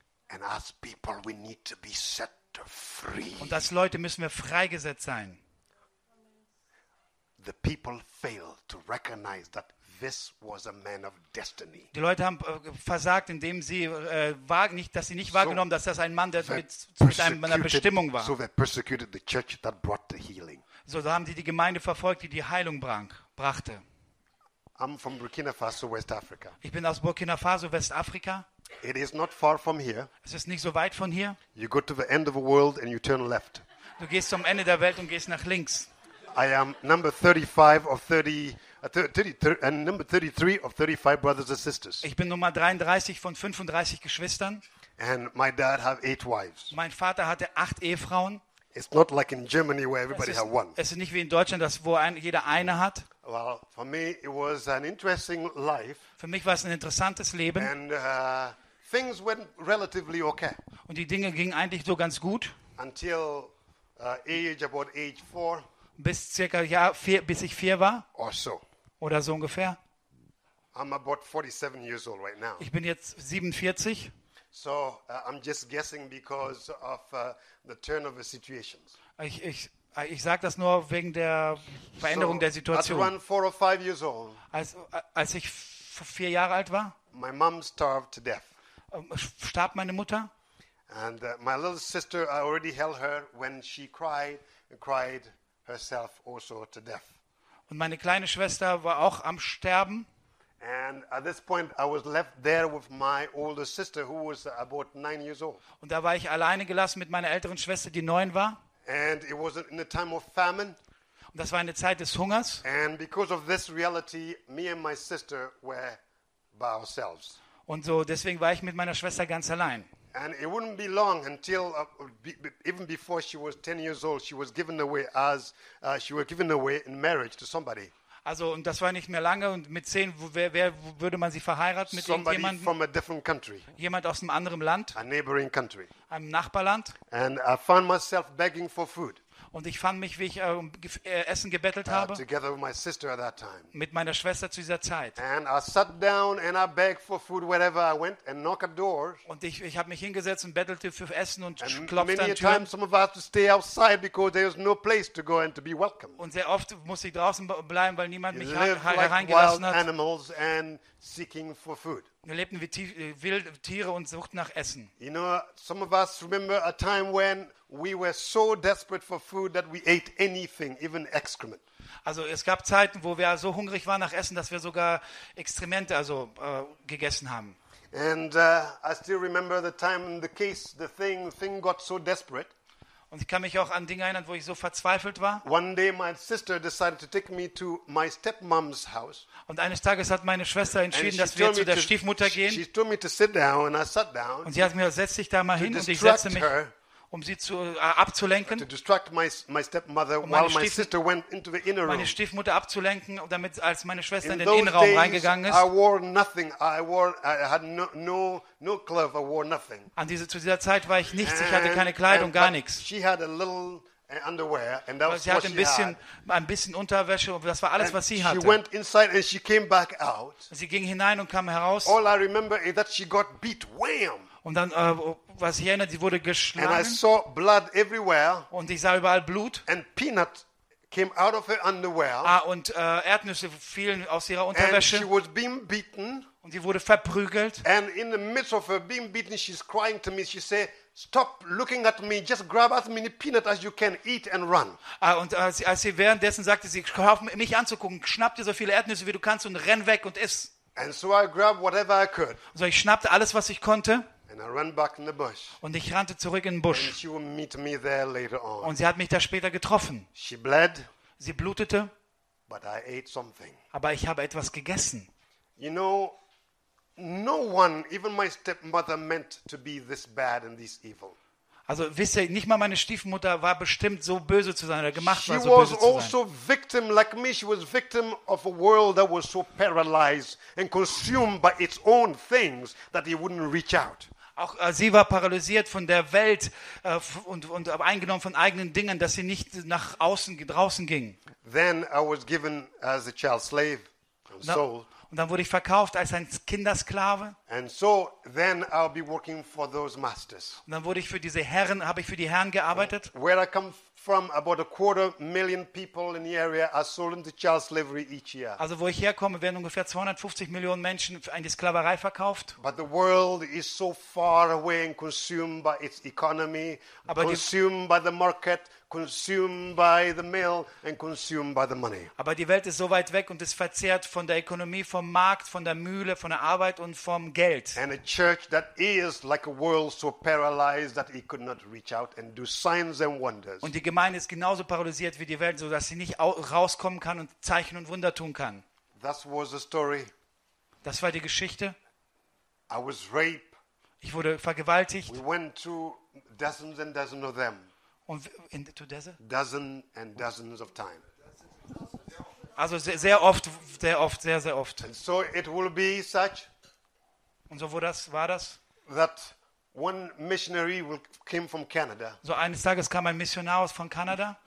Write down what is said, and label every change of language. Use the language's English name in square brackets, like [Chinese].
[English] And as people we need to be set. Free. [German] Und als Leute müssen wir freigesetzt sein. [English] The people fail to recognize that this was a man of destiny. [German] Die Leute haben versagt, indem sie nicht wahrgenommen, dass das ein Mann, der mit einer Bestimmung war. [English] So they persecuted the church that brought the healing. [German] So haben sie die Gemeinde verfolgt, die die Heilung brachte. [English] I'm from Burkina Faso, West Africa. [German] Ich bin aus Burkina Faso, Westafrika. [English] It is not far from here. [German] Es ist nicht so weit von hier. [English] You go to the end of the world and you turn left. [German] Du gehst zum Ende der Welt und gehst nach links. [English] I am number 35 of 30 and number 33 of 35 brothers and sisters. [German] Ich bin Nummer 33 von 35 Geschwistern. [English] And my dad had 8 wives. [German] Mein Vater hatte 8 Ehefrauen. [English] It's not like in Germany where everybody has one. [German] Es ist nicht wie in Deutschland, dass wo jeder eine hat. [English] Well, for me it was an interesting life. [German] Für mich war es ein interessantes Leben. [English] And things went relatively okay. [German] Und die Dinge gingen eigentlich so ganz gut. [English] Until about age 4. [German] Bis circa bis ich 4 war. [English] Or so. [German] Oder so ungefähr. [English] I'm about 47 years old right now. [German] Ich bin jetzt 47. [English] So I'm just guessing because of the turn of the situations. [German] Ich sag das nur wegen der Veränderung der Situation. [English] At 4 or 5 years old. [German] Als ich 4 Jahre alt war. [English] My mom starved to death. [German] Starb meine Mutter. [English] And my little sister, I already held her when she cried herself also to death. [German] Und meine kleine Schwester war auch am Sterben. [English] And at this point I was left there with my older sister who was about 9 years old. [German] Und da war ich alleine gelassen mit meiner älteren Schwester, die 9 war. [English] And it was in a time of famine. [German] Und das war eine Zeit des Hungers. [English] And because of this reality, me and my sister were by ourselves. [German] Und so deswegen war ich mit meiner Schwester ganz allein. [English] And it wouldn't be long until even before she was 10 years old, she was given away as she was given away in marriage to somebody. [German] Also, und das war nicht mehr lange, und mit 10, wer würde man sie verheiraten? Mit irgendjemandem? [English] From a different country. [German] Jemand aus einem anderen Land. [English] A neighboring country. [German] Einem Nachbarland. [English] And I found myself begging for food. [German] Und ich fand mich, wie ich um Essen gebettelt habe. [English] Together with my sister at that time. [German] Mit meiner Schwester zu dieser Zeit. [English] And I sat down and I begged for food wherever I went and knocked at doors. [German] Und ich habe mich hingesetzt und bettelte für Essen und klopfte an Türen. [English] Many times some of us to stay outside because there was no place to go and to be welcome. [German] Und sehr oft musste ich draußen bleiben, weil niemand mich hereingelassen hat. [English] Like wild animals and seeking for food. [German] Wir lebten wie wilde Tiere und suchten nach Essen. [English] You know, some of us remember a time when we were so desperate for food that we ate anything, even excrement. [German] Also es gab Zeiten, wo wir so hungrig waren nach Essen, dass wir sogar Exkremente gegessen haben. [English] And I still remember the time, the case, the thing got so desperate. [German] Und ich kann mich auch an Dinge erinnern, wo ich so verzweifelt war. [English] One day my sister decided to take me to my stepmom's house. [German] Und eines Tages hat meine Schwester entschieden, dass wir zu der Stiefmutter gehen. [English] She told me to sit down and I sat down. [German] Und sie hat mir setz dich da mal hin und ich setzte mich, um sie abzulenken. [English] To distract my stepmother while my sister went into the inner room. [German] Meine Stiefmutter abzulenken, damit als meine Schwester in den Innenraum reingegangen ist. [English] I wore nothing. I had no clothes. I wore nothing. [German] Zu dieser Zeit war ich nichts. Ich hatte keine Kleidung, gar nichts. [English] She had a little underwear, and that was [German] sie hatte ein bisschen Unterwäsche, und das war alles, was sie hatte. [English] She went inside and she came back out. [German] Sie ging hinein und kam heraus. [English] All I remember is that she got beat. Wham! [German] Und dann, was ich erinnere, sie wurde geschlagen. [English] And I saw blood everywhere. [German] Und ich sah überall Blut. [English] And peanut came out of her underwear. [German] Und Erdnüsse fielen aus ihrer Unterwäsche. [English] And she was being beaten. [German] Und sie wurde verprügelt. [English] And in the midst of her being beaten, she's crying to me. She said, "Stop looking at me. Just grab as many peanuts as you can, eat and run." [German] Als sie währenddessen sagte, sie hör auf mich anzugucken, schnapp dir so viele Erdnüsse wie du kannst und renn weg und iss. [English] And so I grabbed whatever I could. [German] So ich schnappte alles, was ich konnte. [English] And I ran back in the bush. [German] Und ich rannte zurück in den Busch. [English] And she will meet me there later on. [German] Und sie hat mich da später getroffen. [English] She bled. [German] Sie blutete. [English] But I ate something. [German] Aber ich habe etwas gegessen. [English] You know, no one, even my stepmother, meant to be this bad and this evil. [German] Also wisst ihr, nicht mal meine Stiefmutter war bestimmt so böse zu sein oder gemacht [English] she [German] war so böse zu sein. [English] She was also victim like me. She was victim of a world that was so paralyzed and consumed by its own things that it wouldn't reach out. [German] Auch sie war paralysiert von der Welt und eingenommen von eigenen Dingen, dass sie nicht nach außen draußen ging. [English] Then I was given as a child slave and sold. [German] Und dann wurde ich verkauft als ein Kindersklave. [English] And so then I'll be working for those masters. [German] Und dann wurde ich für diese Herren, habe ich für die Herren gearbeitet. [English] Where I come from, about 250,000 people in the area are sold into child slavery each year. [German] Also wo ich herkomme, werden ungefähr 250 Millionen Menschen in die Sklaverei verkauft. [English] But the world is so far away and consumed by its economy, consumed by the market, consumed by the mail and consumed by the money. [German] Aber die Welt ist so weit weg und ist verzehrt von der Ökonomie, vom Markt, von der Mühle, von der Arbeit und vom Geld. [English] And a church that is like a world so paralyzed that it could not reach out and do signs and wonders. [German] Und die Gemeinde ist genauso paralysiert wie die Welt, so dass sie nicht rauskommen kann und Zeichen und Wunder tun kann. [English] That was the story. [German] Das war die Geschichte. [English] I was raped. [German] Ich wurde vergewaltigt. [English] We went to dozens and dozens of them. Und in the, to desert? Dozens and dozens of times. [German] Also sehr, sehr oft, sehr oft, sehr, sehr oft. [English] And so it will be such. [German] Und so wurde das, war das? [English] That one missionary will came from Canada. [German] So eines Tages kam ein Missionar aus von Kanada.